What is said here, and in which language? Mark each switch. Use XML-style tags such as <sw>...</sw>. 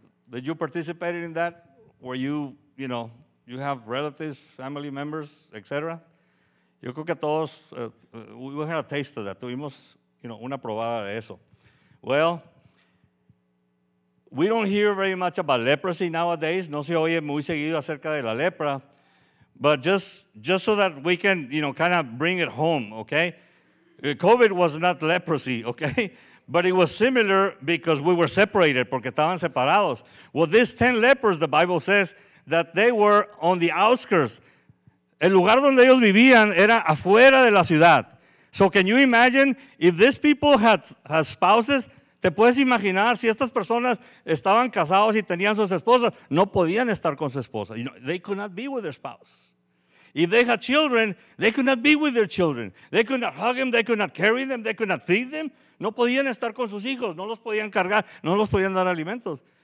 <en>Did you participate in that? Were you, you know, you have relatives, family members, etc.?</en> <es>Yo creo que todos,</es> <en>we had a taste of that.</en> <es>Tuvimos, you know, una probada de eso.</es> <en>Well, we don't hear very much about leprosy nowadays.</en> <es>No se oye muy seguido acerca de la lepra.</es> <en>But just so that we can, you know, kind of bring it home, okay? COVID was not leprosy, okay? But it was similar because we were separated,</en> <es>porque estaban separados.</es> <en>Well, these 10 lepers, the Bible says, that they were on the outskirts.</en> <es>El lugar donde ellos vivían era afuera de la ciudad.</es> <en>So can you imagine if these people had spouses?</en> <es>¿Te puedes imaginar si estas personas estaban casados y tenían sus esposas? No podían estar con su esposa.</es> <en>You know, they could not be with their spouse. If they had children, they could not be with their children. They could not hug them, they could not carry them, they could not feed them.</en> <es>No podían estar con sus hijos, no los podían cargar, no los podían dar alimentos.</es>